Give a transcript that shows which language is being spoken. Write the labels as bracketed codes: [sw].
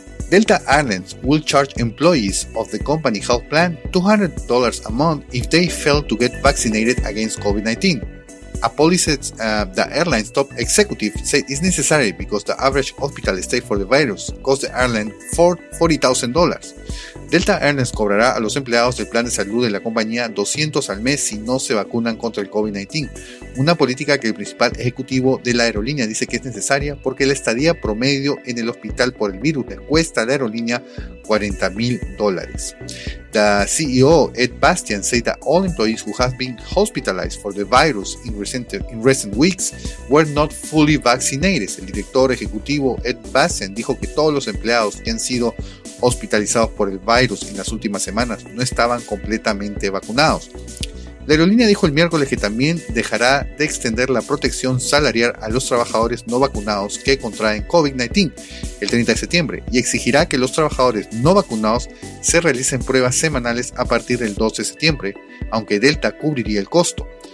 [en] Delta Airlines will charge employees of the company health plan $200 a month if they fail to get vaccinated against COVID-19. A policy the airline's top executive said is necessary because the average hospital stay for the virus cost the airline $40,000. [es] Delta Airlines cobrará a los empleados del plan de salud de la compañía $200 al mes si no se vacunan contra el COVID-19, una política que el principal ejecutivo de la aerolínea dice que es necesaria porque la estadía promedio en el hospital por el virus le cuesta a la aerolínea $40,000. [en] The CEO Ed Bastian said that all employees who have been hospitalized for the virus in recent weeks were not fully vaccinated. [es] El director ejecutivo Ed Bastian dijo que todos los empleados que han sido hospitalizados por el virus en las últimas semanas no estaban completamente vacunados. La aerolínea dijo el miércoles que también dejará de extender la protección salarial a los trabajadores no vacunados que contraen COVID-19 el 30 de septiembre y exigirá que los trabajadores no vacunados se realicen pruebas semanales a partir del 12 de septiembre, aunque Delta cubriría el costo.